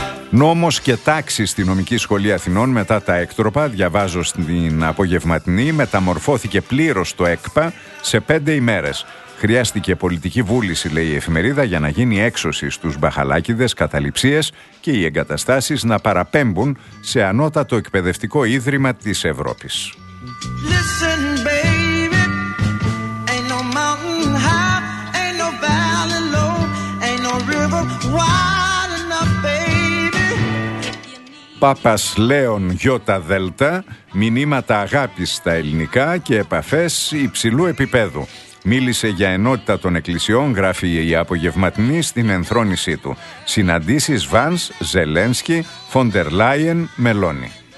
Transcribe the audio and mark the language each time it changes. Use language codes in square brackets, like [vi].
[el] Νόμος και τάξη στη νομική σχολή Αθηνών μετά τα έκτροπα, διαβάζω στην απογευματινή, μεταμορφώθηκε πλήρως το ΕΚΠΑ σε 5 ημέρες. Χρειάστηκε πολιτική βούληση, λέει η εφημερίδα, για να γίνει έξωση στους μπαχαλάκηδες, καταληψίες και οι εγκαταστάσεις να παραπέμπουν σε ανώτατο εκπαιδευτικό ίδρυμα της Ευρώπης. [en] Listen, baby. Ain't no mountain high, ain't no valley low, ain't no river wide enough, baby. [el] Πάπας Λέων Γιώτα Δέλτα, μηνύματα αγάπης στα ελληνικά και επαφές υψηλού επίπεδου. Μίλησε για ενότητα των εκκλησιών, γράφει η απογευματινή στην ενθρόνησή του. Συναντήσεις Βανς, Ζελένσκι, Φοντερ Λάιεν, Μελόνι.